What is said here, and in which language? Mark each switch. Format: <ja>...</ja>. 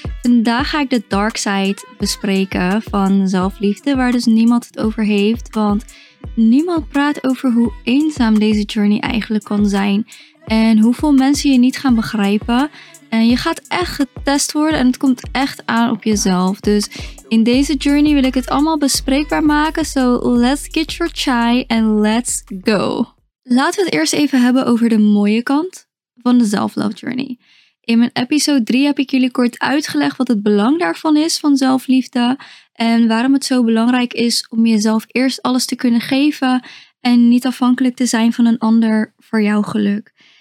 <nl>Vandaag ga ik de dark side bespreken van zelfliefde, waar dus niemand het over heeft. Want niemand praat over hoe eenzaam deze journey eigenlijk kan zijn en hoeveel mensen je niet gaan begrijpen. En je gaat echt getest worden en het komt echt aan op jezelf. Dus in deze journey wil ik het allemaal bespreekbaar maken.</nl> <en>So let's get your chai and let's go.</en> <nl>Laten we het eerst even hebben over de mooie kant van de self-love journey. In mijn episode 3 heb ik jullie kort uitgelegd wat het belang daarvan is van zelfliefde. En waarom het zo belangrijk is om jezelf eerst alles te kunnen geven. En niet afhankelijk te zijn van een ander voor jouw geluk.</nl>